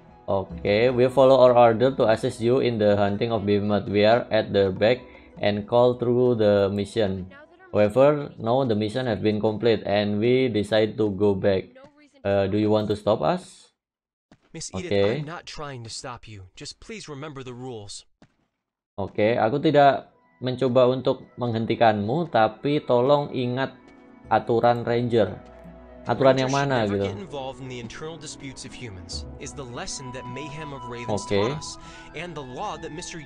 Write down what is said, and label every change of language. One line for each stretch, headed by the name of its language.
English: Okay, we follow our order to assist you in the hunting of behemoth. We are at the back and call through the mission. However, now the mission has been complete and we decide to go back. Do you want to stop us? Miss Edith, I'm not trying to stop you. Just please remember the rules.
Indonesian: Okay, aku tidak mencoba untuk menghentikanmu, tapi tolong ingat aturan ranger. Aturan yang mana gitu.
English: Get involved in the internal disputes of humans is the lesson that Mayhem of Ravens taught us, and the law that Mr.